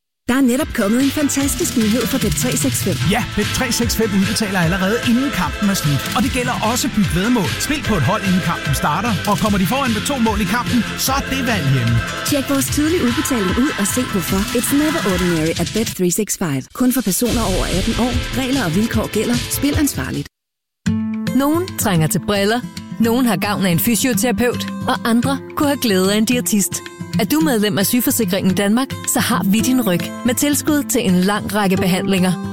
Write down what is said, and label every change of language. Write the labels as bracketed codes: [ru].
[da] Der er netop kommet en fantastisk nyhed for Bet365. Ja, Bet365 udbetaler allerede inden kampen er slut. Og det gælder også byg vedmål. Spil på et hold, inden kampen starter. Og kommer de foran med 2 mål i kampen, så er det valg hjemme. Tjek vores tydelige udbetaling ud og se hvorfor. [en] It's never ordinary at Bet365. [da] Kun for personer over 18 år. Regler og vilkår gælder. Spil ansvarligt. Nogen trænger til briller. Nogen har gavn af en fysioterapeut. Og andre kunne have glæde af en diætist. Er du medlem af Sygeforsikringen Danmark, så har vi din ryg med tilskud til en lang række behandlinger.